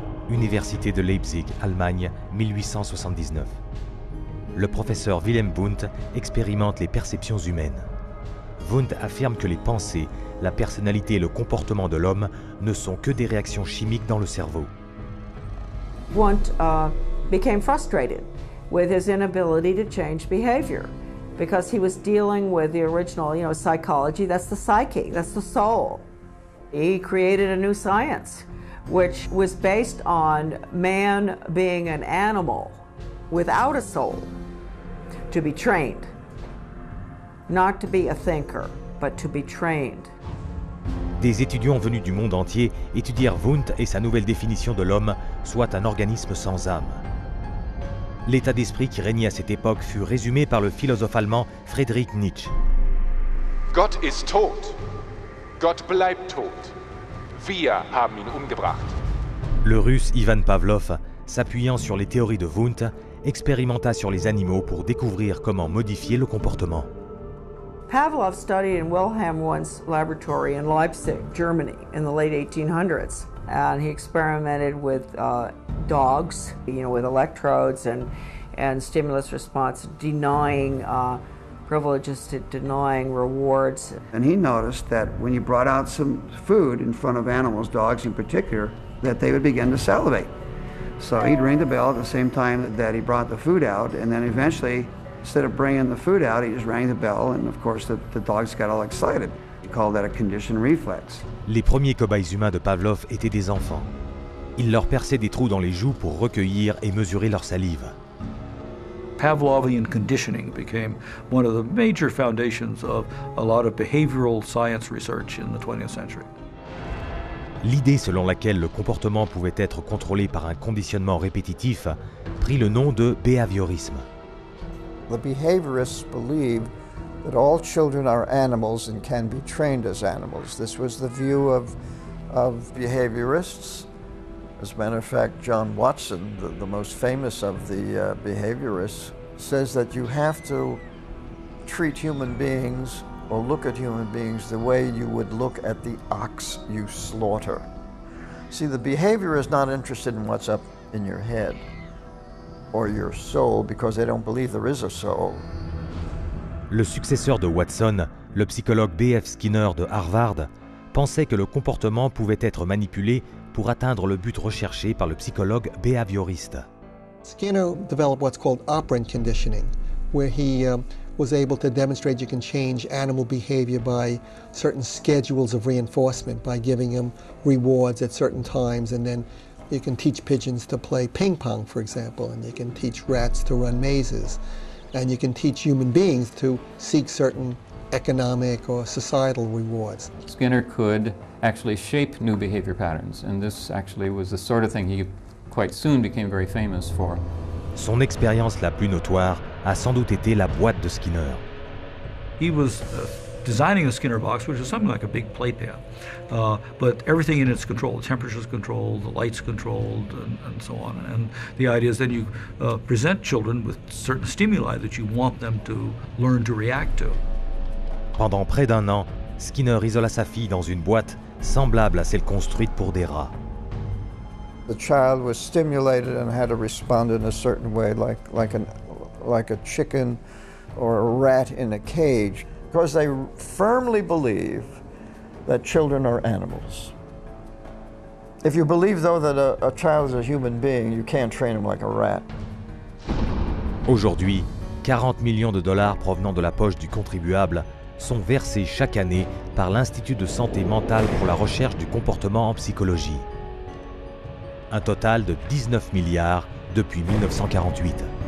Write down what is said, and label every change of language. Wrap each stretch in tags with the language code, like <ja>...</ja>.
<fr>Université de Leipzig, Allemagne, 1879. Le professeur Wilhelm Wundt expérimente les perceptions humaines. Wundt affirme que les pensées, la personnalité et le comportement de l'homme ne sont que des réactions chimiques dans le cerveau.</fr> <en>Wundt became frustrated with his inability to change behavior because he was dealing with the original, you know, psychology, that's the psyche, that's the soul. He created a new science, which was based on man being an animal without a soul, to be trained. Not to be a thinker, but to be trained.</en> <fr>Des étudiants venus du monde entier étudièrent Wundt et sa nouvelle définition de l'homme, soit un organisme sans âme. L'état d'esprit qui régnait à cette époque fut résumé par le philosophe allemand Friedrich Nietzsche.</fr> <de>Gott ist tot. Gott bleibt tot. Wir haben ihn umgebracht.</de> <fr>Le russe Ivan Pavlov, s'appuyant sur les théories de Wundt, expérimenta sur les animaux pour découvrir comment modifier le comportement.</fr> <en>Pavlov studied in Wilhelm Wundt's laboratory in Leipzig, Germany, in the late 1800s. And he experimented with dogs, you know, with electrodes and stimulus response, denying privileges to denying rewards. And he noticed that when you brought out some food in front of animals, dogs in particular, that they would begin to salivate. So he'd ring the bell at the same time that he brought the food out, and then eventually, instead of bringing the food out, he just rang the bell, and of course the dogs got all excited. He called that a conditioned reflex.</en> <fr>Les premiers cobayes humains de Pavlov étaient des enfants. Il leur perçait des trous dans les joues pour recueillir et mesurer leur salive.</fr> <en>Pavlovian conditioning became one of the major foundations of a lot of behavioral science research in the 20th century.</en> <fr>L'idée selon laquelle le comportement pouvait être contrôlé par un conditionnement répétitif prit le nom de behaviorisme.</fr> <en>The behaviorists believe that all children are animals and can be trained as animals. This was the view of behaviorists. As a matter of fact, John Watson, the most famous of the behaviorists, says that you have to treat human beings or look at human beings the way you would look at the ox you slaughter. See, the behavior is not interested in what's up in your head or your soul because they don't believe there is a soul.</en> <fr>Le successeur de Watson, le psychologue B.F. Skinner de Harvard, pensait que le comportement pouvait être manipulé pour atteindre le but recherché par le psychologue behavioriste.</fr> <en>Skinner developed what's called operant conditioning, where he was able to demonstrate you can change animal behavior by certain schedules of reinforcement, by giving them rewards at certain times, and then you can teach pigeons to play ping pong, for example, and you can teach rats to run mazes, and you can teach human beings to seek certain economic or societal rewards. Skinner could actually shape new behavior patterns, and this actually was the sort of thing he quite soon became very famous for.</en> <fr>Son expérience la plus notoire a sans doute été la boîte de Skinner.</fr> <en>He was designing a Skinner box, which is something like a big playpen, but everything in it's controlled. The temperature's controlled, the light's controlled, and so on. And the idea is then you present children with certain stimuli that you want them to learn to react to.</en> <fr>Pendant près d'un an, Skinner isola sa fille dans une boîte semblable à celle construite pour des rats.</fr> <en>The child was stimulated and had to respond in a certain way, like a chicken or a rat in a cage, because they firmly believe that children are animals. If you believe, though, that a child is a human being, you can't train him like a rat.</en> <fr>Aujourd'hui, 40 millions de dollars provenant de la poche du contribuable sont versés chaque année par l'Institut de santé mentale pour la recherche du comportement en psychologie. Un total de 19 milliards depuis 1948.</fr>